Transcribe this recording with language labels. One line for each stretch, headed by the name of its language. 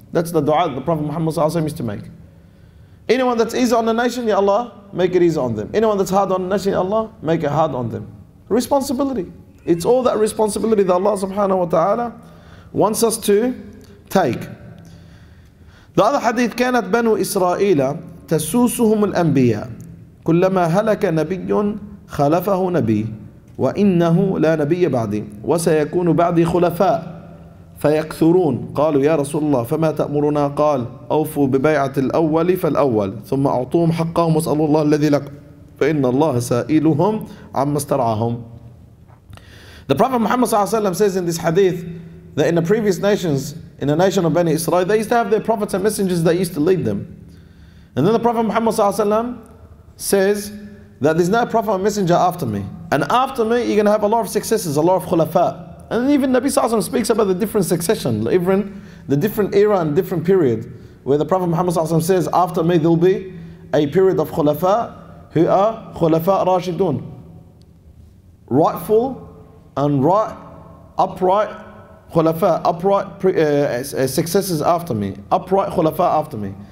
English: That's the dua the Prophet Muhammad sallallahu alaihi wasallam used to make. Anyone that's easy on the nation, ya Allah, make it easy on them. Anyone that's hard on the nation, ya Allah, make it hard on them. Responsibility. It's all that responsibility that Allah subhanahu wa ta'ala wants us to take. The other hadith:
Arabic: "كانت بنو إسرائيل تسوسهم الأنبياء كلما هلك نبي خلفه نبي وإنه لا نبي بعدي وسيكون بعدي خلفاء فيكثرون قالوا يا رسول الله فما تأمرنا قال أوفوا ببيعة الأول فالأول ثم أعطوهم حقهم واسألوا الله الذي لك فإن الله سائلهم عما استرعاهم."
English: The Prophet Muhammad sallallahu alaihi wasallam says in this hadith that in the previous nations, in the nation of Bani Israel, they used to have their prophets and messengers that used to lead them. And then the Prophet Muhammad Sallallahu Alaihi Wasallam says that there's no prophet or messenger after me. And after me, you're going to have a lot of successors, a lot of khulafa. And even Nabi Sallallahu Alaihi Wasallam speaks about the different succession, even the different era and different period, where the Prophet Muhammad Sallallahu Alaihi Wasallam says, after me there'll be a period of khulafa who are khulafa rashidun, rightful and right, upright khulafa, upright successors after me, upright khulafa after me.